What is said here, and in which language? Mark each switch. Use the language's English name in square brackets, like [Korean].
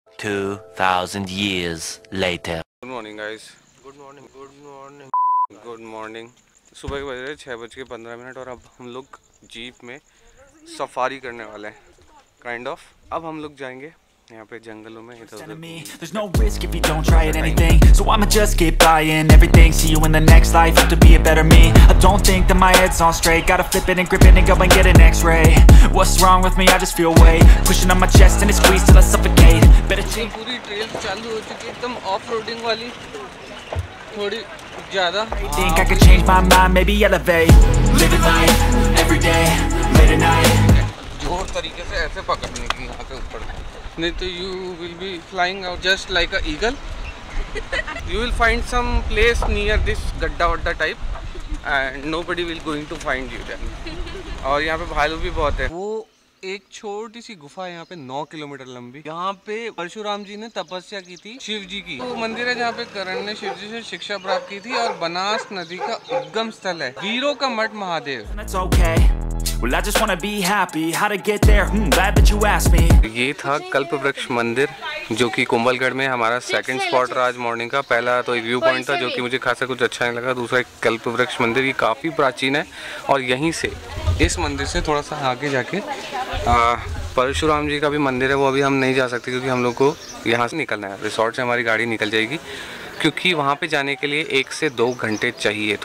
[English] 2000 years later। Good morning guys. Good morning. [Hindi] सुबह के बज रहे 6:15 और अब हम लोग जीप में सफारी करने वाले हैं, [English] Kind of. [Hindi] अब हम लोग जाएंगे यहाँ पे जंगलों में इधर उधर। [English] There's no risk if you don't try it anything. So I'ma just keep buying everything. See you in the next life. Have to be a better me. I don't think that my head's on straight. Gotta flip it and grip it and go and get an X-ray. What's wrong with me? I just feel weight pushing on my chest and it squeezes till I suffocate. Better change. [Hindi] पूरी trail चालू हो चुकी है, एकदम off-roading वाली, थोड़ी ज़्यादा। [English] I think I could change my mind, maybe elevate. Living life every day, late at night. [Hindi] जोर तरीके से ऐसे पकड़ने की यहाँ के ऊपर, नहीं तो [English] You will be flying out just like a eagle. You will find some place near this [Hindi] गड्ढा वड्डा [English] Type and nobody will going to find you there. [Hindi] और यहाँ पे भालू भी बहुत है। वो एक छोटी सी गुफा है यहाँ पे 9 किलोमीटर लंबी। यहाँ पे परशुराम जी ने तपस्या की थी शिव जी की। वो मंदिर है जहाँ पे करण ने शिव जी से शिक्षा प्राप्त की थी और बनास नदी का उद्गम स्थल है वीरों का मठ Mahadev. [English] Well, I just wanna be happy. How to get there? Glad that you asked me. [Hindi] ये था कल्पवृक्ष मंदिर जो कि कुंभलगढ़ में हमारा सेकंड स्पॉट रहा आज मॉर्निंग का। पहला तो एक व्यू पॉइंट था जो कि मुझे खासा कुछ अच्छा नहीं लगा। दूसरा एक कल्पवृक्ष मंदिर, ये काफ़ी प्राचीन है और यहीं से इस मंदिर से थोड़ा सा आगे जाके परशुराम जी का भी मंदिर है। वो अभी हम नहीं जा सकते क्योंकि हम लोग को यहाँ से निकलना है, रिसॉर्ट से हमारी गाड़ी निकल जाएगी क्योंकि वहाँ पे जाने के लिए 1 से 2 घंटे चाहिए।